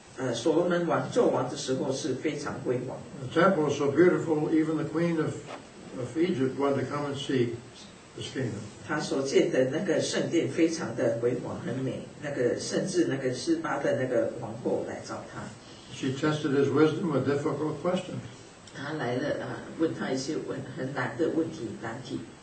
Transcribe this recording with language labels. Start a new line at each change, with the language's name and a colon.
Chinese: 他这个，呃，呃，所罗门王做王的时候是非常辉煌。
English: The temple was so beautiful, even the queen of Egypt wanted to come and see his kingdom.
Chinese: 他所建的那个圣殿非常的辉煌很美，那个甚至那个示巴的那个王后来找他。
English: She tested his wisdom with difficult questions.
Chinese: 他来了啊，问他一些问很难的问题难题。